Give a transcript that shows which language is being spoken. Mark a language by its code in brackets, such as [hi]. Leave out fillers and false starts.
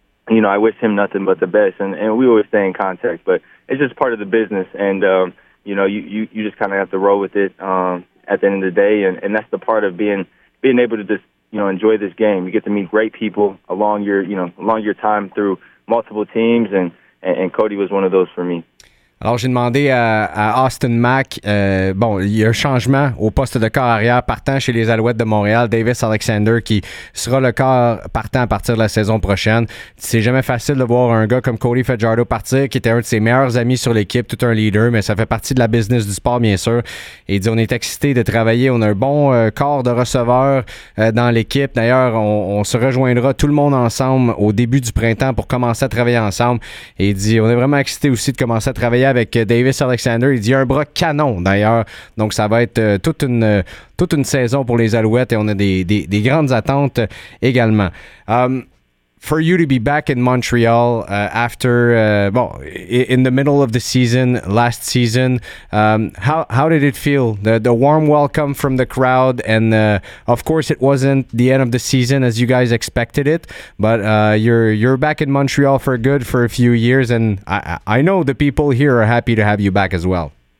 [en] You know, I wish him nothing but the best. And we always stay in contact, but it's just part of the business. And you know, you just kind of have to roll with it at the end of the day. And that's the part of being able to just, you know, enjoy this game. You get to meet great people along your time through multiple teams. And Cody was one of those for me. [fr] Alors, j'ai demandé à Austin Mack, il y a un changement au poste de corps arrière partant chez les Alouettes de Montréal, Davis Alexander, qui sera le corps partant à partir de la saison prochaine. C'est jamais facile de voir un gars comme Cody Fajardo partir, qui était un de ses meilleurs amis sur l'équipe, tout un leader, mais ça fait partie de la business du sport, bien sûr. Et il dit, on est excité de travailler, on a un bon corps de receveurs dans l'équipe. D'ailleurs, on se rejoindra tout le monde ensemble au début du printemps pour commencer à travailler ensemble. Et il dit, on est vraiment excité aussi de commencer à travailler avec Davis Alexander. Il dit un bras canon d'ailleurs, donc ça va être toute une saison pour les Alouettes et on a des grandes attentes également. [en] For you to be back in Montreal in the middle of the season last season, how did it feel? The warm welcome from the crowd, and of course it wasn't the end of the season as you guys expected it, but you're back in Montreal for good for a few years, and I know the people here are happy to have you back as well.